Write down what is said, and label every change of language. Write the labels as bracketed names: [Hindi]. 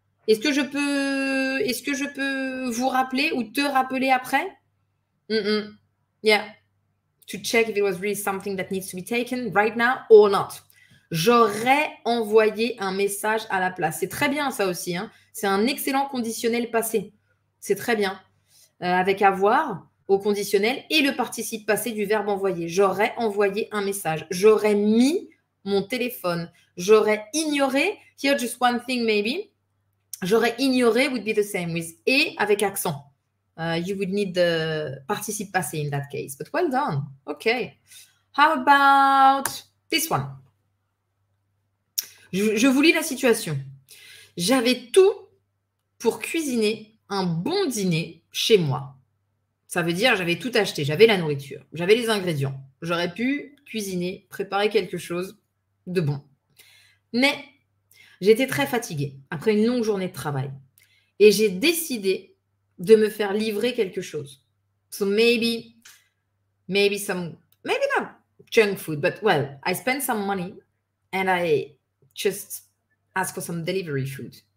[French] Est-ce que je peux vous rappeler ou te rappeler après? [English] Yeah, to check if it was really something that needs to be taken right now or not. [French] J'aurais envoyé un message à la place. C'est très bien ça aussi, hein. C'est un excellent conditionnel passé. C'est très bien. Avec avoir au conditionnel et le participe passé du verbe envoyer. J'aurais envoyé un message. J'aurais mis mon téléphone. J'aurais ignoré. [English] Here, just one thing maybe. J'aurais ignoré would be the same with et avec accent. You would need the participe passé in that case. But well done. OK. How about this one? [French] Je vous lis la situation. J'avais tout pour cuisiner un bon dîner chez moi. Ça veut dire j'avais tout acheté. J'avais la nourriture. J'avais les ingrédients. J'aurais pu cuisiner, préparer quelque chose de bon. Mais j'étais très fatiguée après une longue journée de travail. Et j'ai décidé de me faire livrer quelque chose. [English] So maybe not junk food, but well, I spent some money and I just asked for some delivery food.